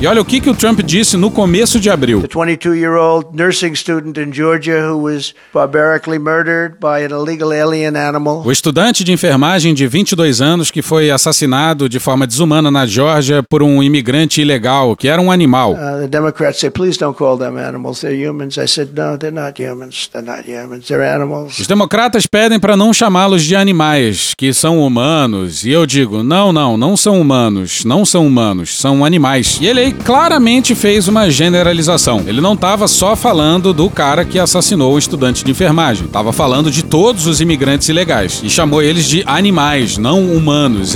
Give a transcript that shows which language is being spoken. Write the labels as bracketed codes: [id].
[pt] E olha o que, que o Trump disse no começo de abril. [en] A 22-year-old nursing student in Georgia who was barbarically murdered by an illegal alien animal. [pt] O estudante de enfermagem de 22 anos que foi assassinado de forma desumana na Georgia por um imigrante ilegal, que era um animal. [en] The Democrats say, please don't call them animals, they're humans. I said, no, they're not humans, they're animals. [pt] Os democratas pedem para não chamá-los de animais, que são humanos, e eu digo, Não são humanos, são animais. E ele aí claramente fez uma generalização. Ele não estava só falando do cara que assassinou o estudante de enfermagem. Estava falando de todos os imigrantes ilegais. E chamou eles de animais, não humanos.